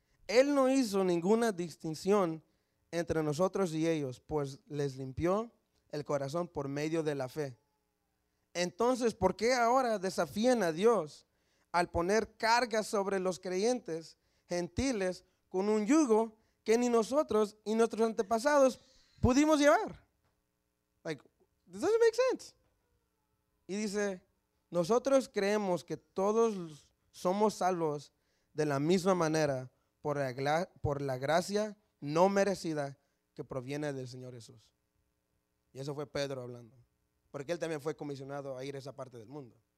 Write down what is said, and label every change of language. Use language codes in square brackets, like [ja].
[es] Él no hizo ninguna distinción entre nosotros y ellos, pues les limpió el corazón por medio de la fe. Entonces, ¿por qué ahora desafían a Dios al poner cargas sobre los creyentes gentiles con un yugo que ni nosotros y nuestros antepasados pudimos llevar? [en] Like, this doesn't make sense. [es] Y dice, nosotros creemos que todos somos salvos de la misma manera por la gracia no merecida que proviene del Señor Jesús. Y eso fue Pedro hablando, porque él también fue comisionado a ir a esa parte del mundo.